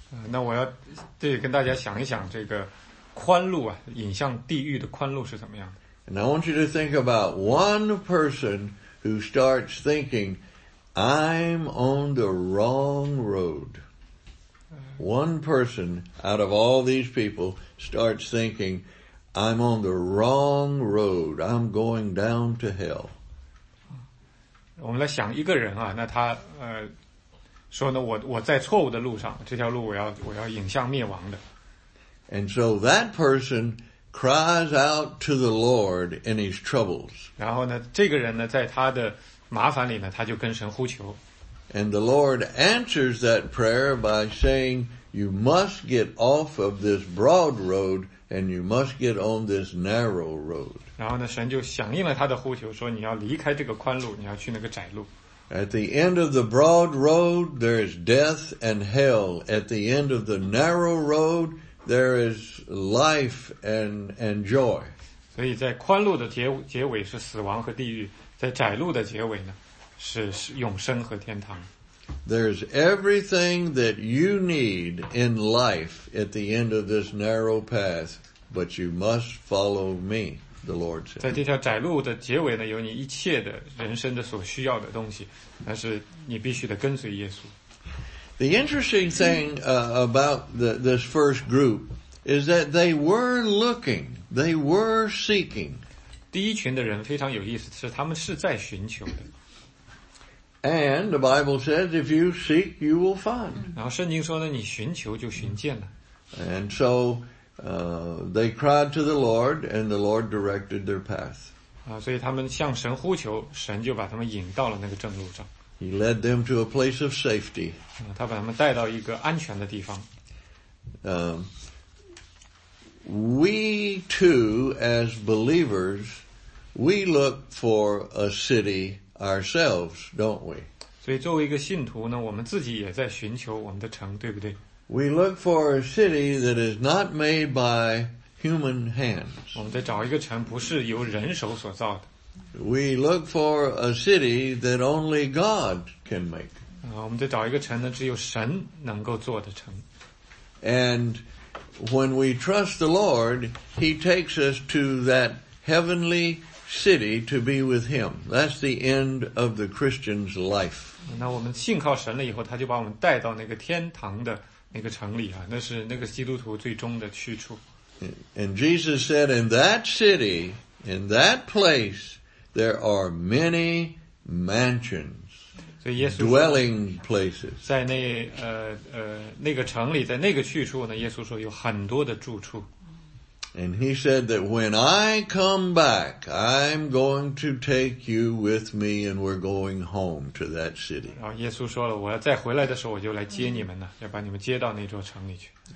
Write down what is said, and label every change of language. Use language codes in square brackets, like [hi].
[zh] 那我要对跟大家想一想这个。宽路啊，引向地狱的宽路是怎么样的？ [en] And I want you to think about one person who starts thinking, I'm on the wrong road. One person out of all these people starts thinking, I'm on the wrong road. I'm going down to hell. [zh] 我们来想一个人啊，那他说呢，我在错误的路上，这条路我要引向灭亡的。 [en] And so that person cries out to the Lord in his troubles. [zh] 然后呢，这个人呢，在他的麻烦里呢，他就跟神呼求。 [en] And the Lord answers that prayer by saying, "You must get off of this broad road, and you must get on this narrow road." [zh] 然后呢，神就响应了他的呼求，说你要离开这个宽路，你要去那个窄路。 [en] At the end of the broad road, there is death and hell. At the end of the narrow road. There is life and joy. [zh] 所以在宽路的结尾是死亡和地狱，在窄路的结尾呢，是永生和天堂。 [en] There's everything that you need in life at the end of this narrow path, but you must follow me, the Lord said. [zh] 在这条窄路的结尾呢，有你一切的人生的所需要的东西，但是你必须得跟随耶稣。 [en] The interesting thing about this first group is that they were looking, they were seeking. [zh] 第一群的人非常有意思，是他们是在寻求的。 [en] And the Bible says, if you seek, you will find. [zh] 然后圣经说呢，你寻求就寻见了。 [en] And so they cried to the Lord, and the Lord directed their path. [zh] 所以他们向神呼求，神就把他们引到了那个正路上。 [en] He led them to a place of safety. [zh] 他把他们带到一个安全的地方。 [en] We too, as believers, we look for a city ourselves, don't we? [zh] 所以作为一个信徒呢，我们自己也在寻求我们的城，对不对？ [en] We look for a city that is not made by human hands. [zh] 我们在找一个城，不是由人手所造的。 [en] We look for a city that only God can make. [zh] 我们得找一个城呢，只有神能够做的城。 [en] And when we trust the Lord, He takes us to that heavenly city to be with him. That's the end of the Christian's life. [zh] 那我们信靠神了以后，他就把我们带到那个天堂的那个城里啊，那是那个基督徒最终的去处。 [en] And Jesus said, in that city, in that place, there are many mansions, dwelling places. [zh] 在那那个城里，在那个去处呢，耶稣说有很多的住处。 [en] And he said that when I come back, I'm going to take you with me and we're going home to that city. [zh] 然后耶稣说了，我要再回来的时候，我就来接你们了，要把你们接到那座城里去。